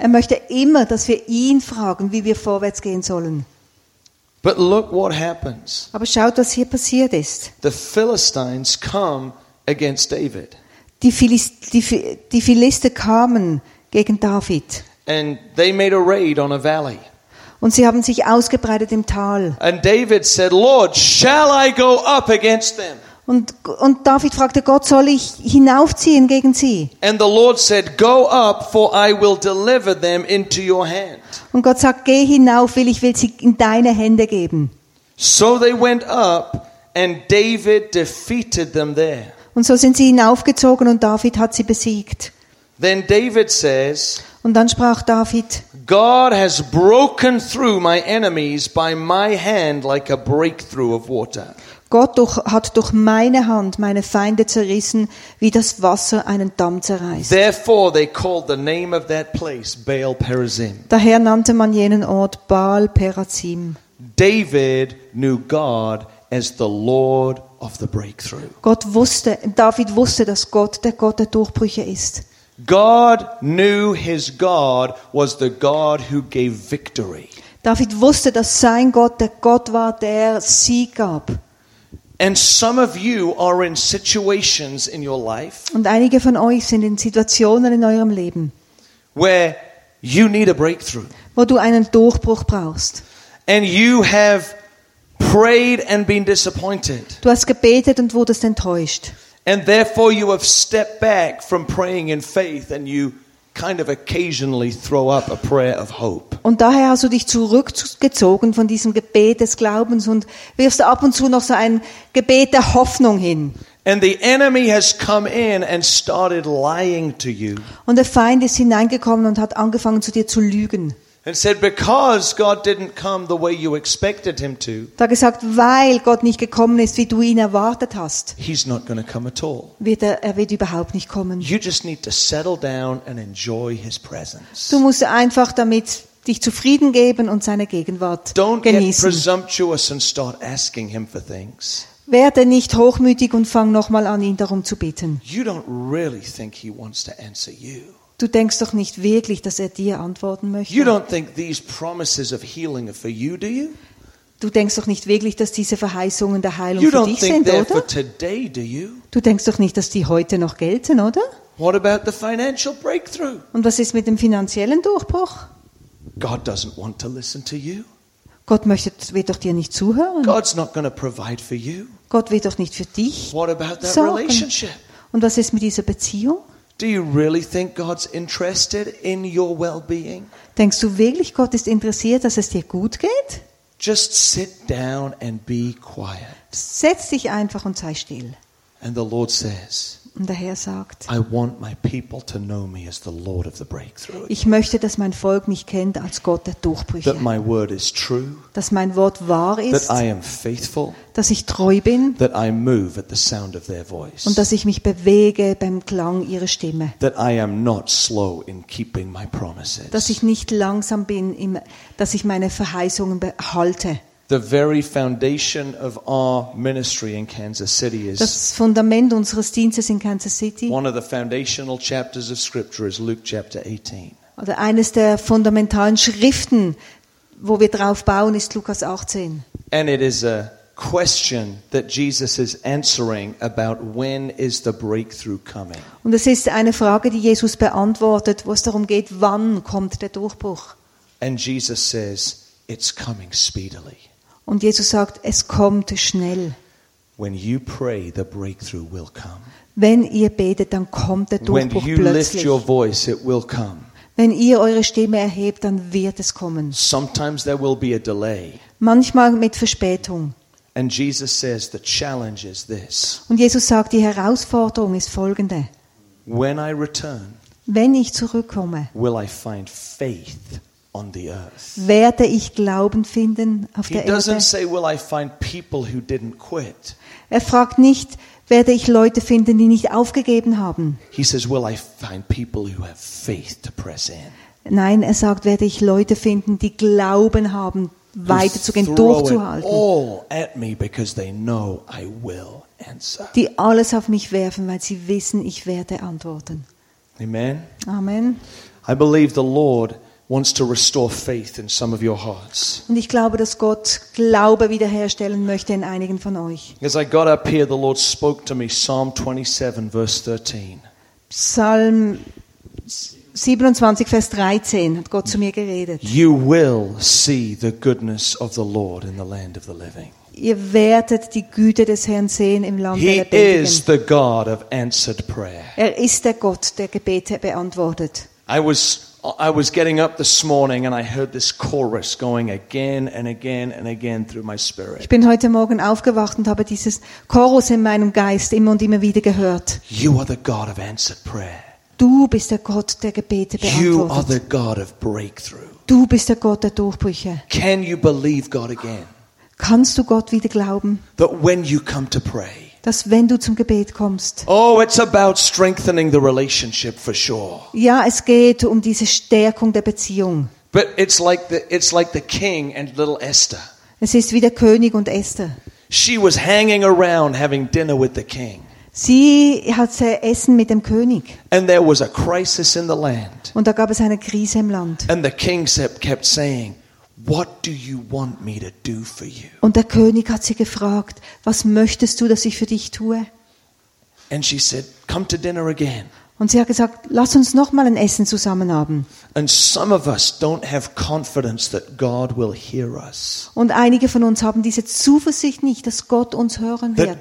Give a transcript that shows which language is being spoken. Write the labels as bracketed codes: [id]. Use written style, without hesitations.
[de] Er möchte immer, dass wir ihn fragen, wie wir vorwärts gehen sollen. [en] But look what happens. [de] Aber schaut, was hier passiert ist. [en] The Philistines come against David. [de] Die Philister kamen gegen David. [en] And they made a raid on a valley. [de] Und sie haben sich ausgebreitet im Tal. [en] And David said, Lord, shall I go up against them? [de] Und David fragte Gott, soll ich hinaufziehen gegen sie? [en] And the Lord said, go up, for I will deliver them into your hand. [de] Und Gott sagt, geh hinauf, weil ich will sie in deine Hände geben. [en] So they went up and David defeated them there. [de] Und so sind sie hinaufgezogen und David hat sie besiegt. [en] Then David says, [de] und dann sprach David, [en] God has broken through my enemies by my hand like a breakthrough of water. [de] Gott hat durch meine Hand meine Feinde zerrissen, wie das Wasser einen Damm zerreißt. [en] Therefore they called the name of that place Baal Perazim. [de] Daher nannte man jenen Ort Baal Perazim. [en] David knew God as the Lord of the breakthrough. [de] David wusste, dass Gott der Gott der Durchbrüche ist. [en] God knew his God was the God who gave victory. [de] David wusste, dass sein Gott der Gott war, der Sieg gab. [en] And some of you are in situations in your life. [de] Und einige von euch sind in Situationen in eurem Leben. [en] Where you need a breakthrough. [de] Wo du einen Durchbruch brauchst. [en] And you have prayed and been disappointed. [de] Du hast gebetet und wurdest enttäuscht. [en] And therefore you have stepped back from praying in faith and you kind of occasionally throw up a prayer of hope. [de] Und daher hast du dich zurückgezogen von diesem Gebet des Glaubens und wirfst ab und zu noch so ein Gebet der Hoffnung hin. [en] And the enemy has come in and started lying to you. [de] Und der Feind ist hineingekommen und hat angefangen zu dir zu lügen. [en] And said, because God didn't come the way you expected him to. [de] Da gesagt, weil Gott nicht gekommen ist, wie du ihn erwartet hast. [en] He's not going to come at all. [de] Er wird überhaupt nicht kommen. [en] You just need to settle down and enjoy his presence. [de] Du musst einfach damit dich zufrieden geben und seine Gegenwart genießen. [en] Don't get presumptuous and start asking him for things. [de] Werde nicht hochmütig und fang nochmal an, ihn darum zu bitten. [en] You don't really think he wants to answer you. [de] Du denkst doch nicht wirklich, dass er dir antworten möchte. [en] You don't think these promises of healing are for you, do you? [de] Du denkst doch nicht wirklich, dass diese Verheißungen der Heilung für dich sind, oder? [en] You don't think they're for today, do you? [de] Du denkst doch nicht, dass die heute noch gelten, oder? [en] What about the financial breakthrough? [de] Und was ist mit dem finanziellen Durchbruch? [en] God doesn't want to listen to you. [de] Gott möchte, wird doch dir nicht zuhören. [en] God's not going to provide for you. [de] Gott wird doch nicht für dich sorgen. [en] What about that relationship? [de] Und was ist mit dieser Beziehung? [en] Do you really think God's interested in your well-being? [de] Denkst du wirklich, Gott ist interessiert, dass es dir gut geht? [en] Just sit down and be quiet. [de] Setz dich einfach und sei still. [en] And the Lord says. [de] Und der Herr sagt. [en] I want my people to know me as the Lord of the breakthrough. [de] Ich möchte, dass mein Volk mich kennt als Gott der Durchbrüche. [en] That my word is true. [de] Dass mein Wort wahr ist. [en] That I am faithful. [de] Dass ich treu bin. [en] That I move at the sound of their voice. [de] Und dass ich mich bewege beim Klang ihrer Stimme. [en] That I am not slow in keeping my promises. [de] Dass ich nicht langsam bin, dass ich meine Verheißungen behalte. [en] The very foundation of our ministry in Kansas City is [de] das Fundament unseres Dienstes in Kansas City. [en] One of the foundational chapters of scripture is Luke chapter 18. [de] Oder eines der fundamentalen Schriften, wo wir drauf bauen, ist Lukas 18. [en] And it is a question that Jesus is answering about when is the breakthrough coming. [de] Und es ist eine Frage, die Jesus beantwortet, wo es darum geht, wann kommt der Durchbruch. [en] And Jesus says, it's coming speedily. [de] Und Jesus sagt, es kommt schnell. [en] When you pray, the breakthrough will come. [de] Wenn ihr betet, dann kommt der Durchbruch plötzlich. [en] When you lift your voice, it will come. [de] Wenn ihr eure Stimme erhebt, dann wird es kommen. [en] Sometimes there will be a delay. [de] Manchmal mit Verspätung. [en] And Jesus says, the challenge is this. [de] Und Jesus sagt, die Herausforderung ist folgende. [en] When I return, [de] wenn ich zurückkomme, [en] will I find faith on the earth? [de] Werde ich Glauben finden auf der Erde? [en] He doesn't say, will I find people who didn't quit? [de] Er fragt nicht, werde ich Leute finden, die nicht aufgegeben haben? [en] He says, will I find people who have faith to press in? [de] Nein, er sagt, werde ich Leute finden, die Glauben haben, weiterzugehen, durchzuhalten. [en] All at me because they know I will answer. [de] Die alles auf mich werfen, weil sie wissen, ich werde antworten. [en] Amen. [de] Amen. [en] I believe the Lord wants to restore faith in some of your hearts. [de] Und ich glaube, dass Gott Glaube wiederherstellen möchte in einigen von euch. [en] As I got up here, the Lord spoke to me, Psalm 27, verse 13. [de] Psalm 27, Vers 13 hat Gott zu mir geredet. [en] You will see the goodness of the Lord in the land of the living. [de] Ihr werdet die Güte des Herrn sehen im Land der Lebendigen. [en] He is the God of answered prayer. [de] Er ist der Gott, der Gebete beantwortet. [en] I was getting up this morning and I heard this chorus going again and again and again through my spirit. [de] Ich bin heute Morgen aufgewacht und habe dieses Chorus in meinem Geist immer und immer wieder gehört. [en] You are the God of answered prayer. [de] Du bist der Gott, der Gebete beantwortet. [en] You are the God of breakthrough. [de] Du bist der Gott der Durchbrüche. [en] Can you believe God again? [de] Kannst du Gott wieder glauben? [en] That when you come to pray. [de] Dass wenn du zum Gebet kommst. [en] Oh, it's about strengthening the relationship for sure. [de] Ja, es geht um diese Stärkung der Beziehung. [en] But it's like the king and little Esther. [de] Es ist wie der König und Esther. [en] She was hanging around having dinner with the king. [de] Sie hatte Essen mit dem König. [en] And there was a crisis in the land. [de] Und da gab es eine Krise im Land. [en] And the king kept saying, what do you want me to do for you? [de] Und der König hat sie gefragt, was möchtest du, dass ich für dich tue? [en] And she said, come to dinner again. [de] Und sie hat gesagt, lass uns noch mal ein Essen zusammen haben. [en] And some of us don't have confidence that God will hear us. [de] Und einige von uns haben diese Zuversicht nicht, dass Gott uns hören wird.